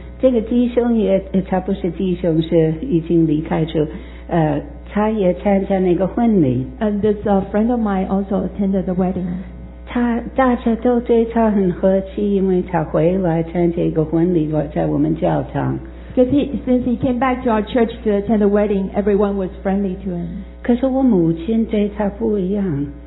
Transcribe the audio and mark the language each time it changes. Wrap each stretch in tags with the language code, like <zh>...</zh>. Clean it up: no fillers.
<zh>这个弟兄也，他不是弟兄，是已经离开主。他也参加那个婚礼。</zh> <en>And this friend of mine also attended the wedding.</en> <zh>他大家都对他很和气，因为他回来参加一个婚礼，在我们教堂。</zh> <en>Because since he came back to our church to attend the wedding, everyone was friendly to him.</en> <zh>可是我母亲对他不一样。</zh>